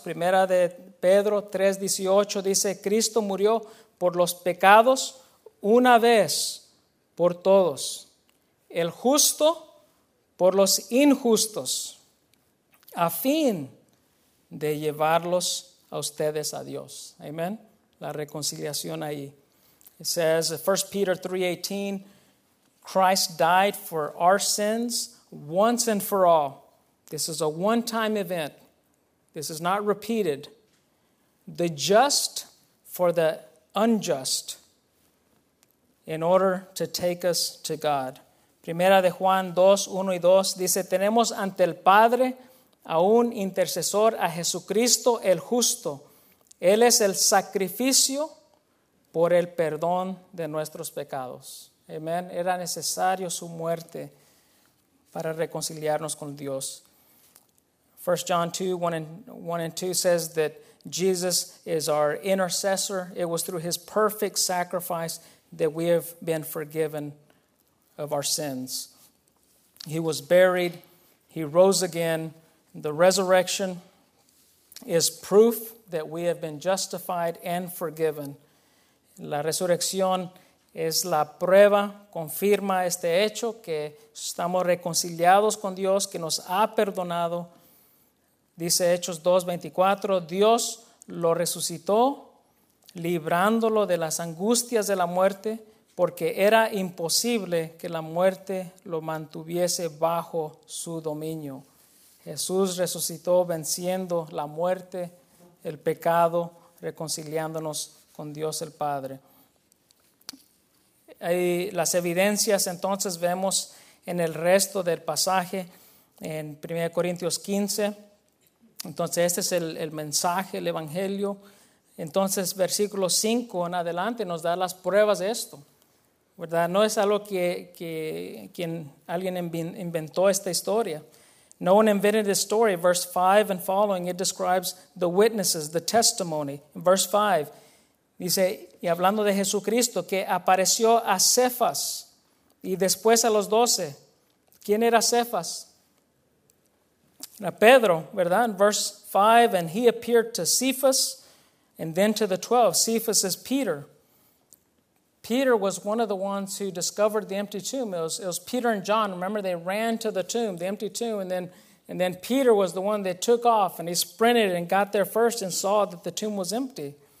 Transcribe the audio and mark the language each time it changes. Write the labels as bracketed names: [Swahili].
[Spanish] Primera de Pedro 3:18 dice, Cristo murió por los pecados una vez por todos. El justo por los injustos, a fin de llevarlos a ustedes a Dios. Amén. La reconciliación ahí. [English] It says, 1 Peter 3:18, Christ died for our sins once and for all. This is a one-time event. This is not repeated. The just for the unjust, in order to take us to God. [Spanish] Primera de Juan 2:1-2 dice, tenemos ante el Padre a un intercesor, a Jesucristo el justo. Él es el sacrificio por el perdón de nuestros pecados. Amén. Era necesario su muerte para reconciliarnos con Dios. [English] 1 John 2:1-2 says that Jesus is our intercessor. It was through his perfect sacrifice that we have been forgiven of our sins. He was buried. He rose again. The resurrection is proof that we have been justified and forgiven. [Spanish] La resurrección es la prueba, confirma este hecho, que estamos reconciliados con Dios, que nos ha perdonado. Dice Hechos 2:24, Dios lo resucitó, librándolo de las angustias de la muerte, porque era imposible que la muerte lo mantuviese bajo su dominio. Jesús resucitó venciendo la muerte, el pecado, reconciliándonos con Dios el Padre. Y las evidencias entonces vemos en el resto del pasaje en 1 Corintios 15. Entonces este es el mensaje, el evangelio. Entonces versículo 5 en adelante nos da las pruebas de esto, ¿verdad? No es algo que alguien inventó esta historia. [English] No one invented this story. Verse 5 and following, it describes the witnesses, the testimony. In verse 5, [Spanish] dice, y hablando de Jesucristo, que apareció a Cefas y después a los 12. ¿Quién era Cefas? Era Pedro, ¿verdad? [English] In verse 5, and he appeared to Cephas and then to the 12. Cephas is Peter. Peter was one of the ones who discovered the empty tomb. It was Peter and John. Remember, they ran to the tomb, the empty tomb, and then Peter was the one that took off, and he sprinted and got there first and saw that the tomb was empty.